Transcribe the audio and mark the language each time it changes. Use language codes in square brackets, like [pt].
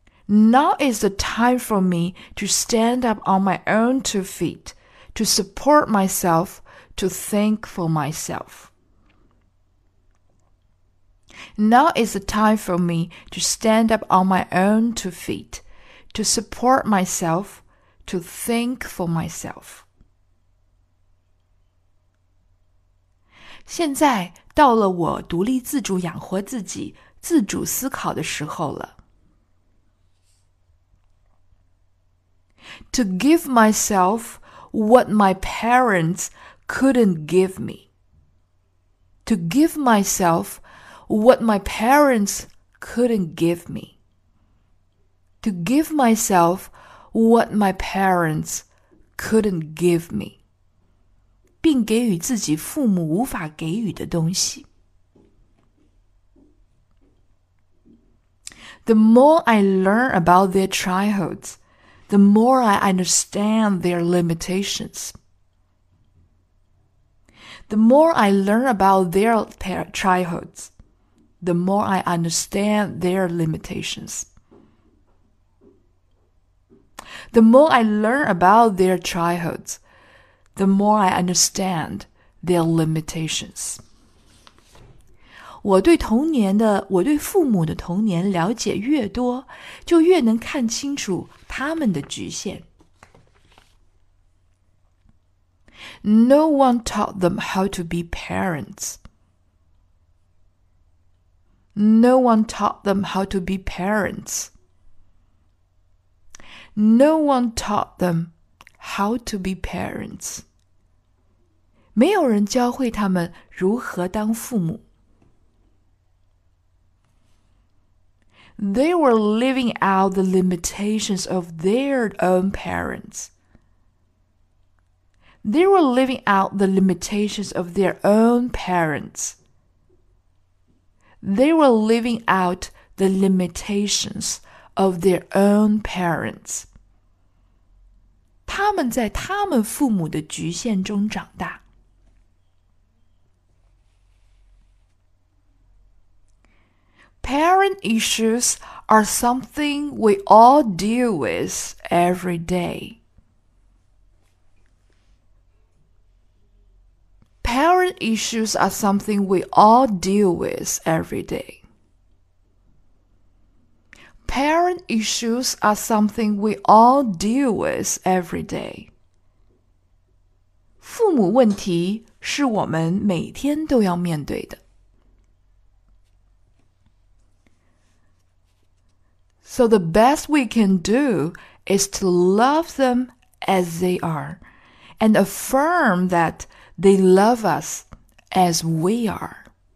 [en] Now is the time for me to stand up on my own two feet, to support myself, to think for myself. Now is the time for me to stand up on my own two feet, to support myself, to think for myself. [zh] 现在到了我独立自主养活自己、自主思考的时候了。 [en] To give myself what my parents couldn't give me. To give myself what my parents couldn't give me. To give myself what my parents couldn't give me. [zh] 并给予自己父母无法给予的东西。 [en] The more I learn about their childhoods, the more I understand their limitations. The more I learn about their childhoods, the more I understand their limitations. The more I learn about their childhoods, the more I understand their limitations. [zh] 我对父母的童年了解越多，就越能看清楚他们的局限。 [en] No one taught them how to be parents. No one taught them how to be parents. No one taught them how to be parents. [zh] 没有人教会他们如何当父母。 [en] They were living out the limitations of their own parents. They were living out the limitations of their own parents. They were living out the limitations of their own parents. [zh] 他们在他们父母的局限中长大。 [en] Parent issues are something we all deal with every day. Parent issues are something we all deal with every day. Parent issues are something we all deal with every day. [zh] 父母问题是我们每天都要面对的。 [en] So the best we can do is to love them as they are and affirm that they love us as we are.